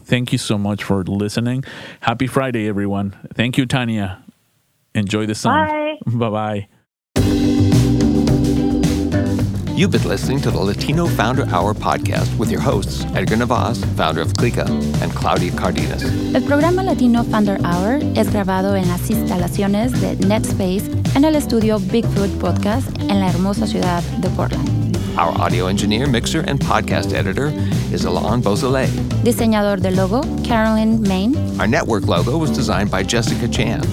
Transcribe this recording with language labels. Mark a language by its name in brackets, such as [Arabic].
[English] Thank you so much for listening. Happy Friday, everyone. Thank you, Tania. Enjoy the sun. Bye. Bye-bye. You've been listening to the Latino Founder Hour podcast with your hosts, Edgar Navas, founder of Clica, and Claudia Cárdenas. [Spanish] El programa Latino Founder Hour es grabado en las instalaciones de NetSpace en el estudio Bigfoot Podcast en la hermosa ciudad de Portland. [English] Our audio engineer, mixer, and podcast editor is Alain Beausoleil. [Spanish] Diseñador de logo, Carolyn Main. [English] Our network logo was designed by Jessica Chan.